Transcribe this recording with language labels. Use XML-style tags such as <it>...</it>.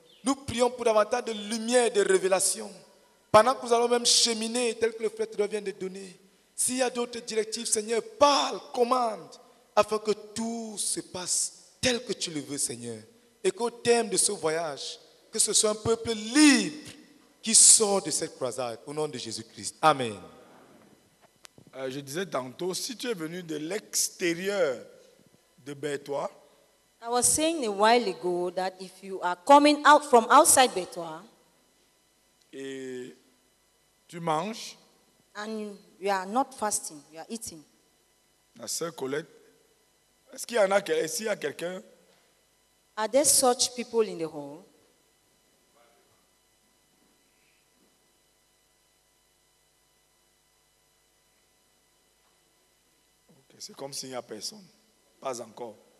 <fr>Nous prions pour davantage de lumière, de révélation. Pendant que nous allons même cheminer, tel que le frère vient de donner, s'il y a d'autres directives, Seigneur, parle, commande, afin que tout se passe tel que tu le veux, Seigneur. Et qu'au terme de ce voyage, que ce soit un peuple libre qui sort de cette croisade. Au nom de Jésus-Christ. Amen. Je disais tantôt, si tu es venu de l'extérieur de Bétois.</fr> <en>I was saying a while ago that if you are coming out from outside Bétois.</en> <fr>Et tu manges.</fr> <en>And you are not fasting, you are eating.</en> <fr>La sœur Colette. Est-ce qu'il y en a, est-ce qu'il y a quelqu'un?</fr> <en>Are there such people in the hall?</en> <fr>Okay, c'est comme s'il n'y a personne. Pas encore.</fr>